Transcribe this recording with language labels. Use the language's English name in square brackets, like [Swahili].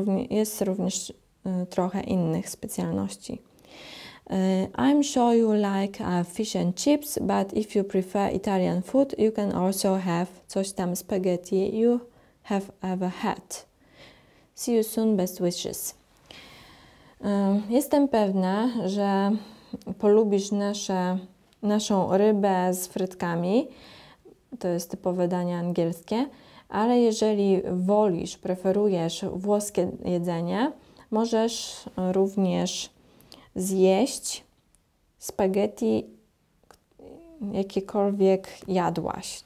[Polish] Jest również trochę innych specjalności. [English] I'm sure you like fish and chips, but if you prefer Italian food, you can also have [Polish] coś tam [English] spaghetti you have ever had. See you soon, best wishes. [Polish] Jestem pewna, że polubisz naszą rybę z frytkami. To jest typowe danie angielskie, ale jeżeli wolisz, preferujesz włoskie jedzenie, możesz również zjeść spaghetti, jakiekolwiek jadłaś.